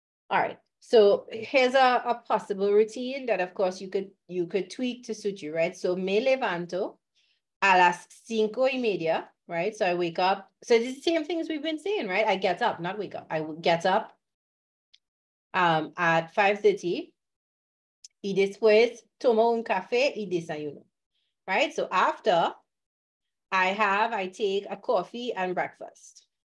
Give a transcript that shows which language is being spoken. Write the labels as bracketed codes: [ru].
[en] All right. So here's a possible routine that of course you could tweak to suit you, right? [es] So me levanto a las cinco y media. [en] Right, so I wake up. So it's the same thing as we've been saying, right? I get up, not wake up. I get up at 5:30. [es] Y después tomo un café y desayuno. [en] Right, so after I take a coffee and breakfast.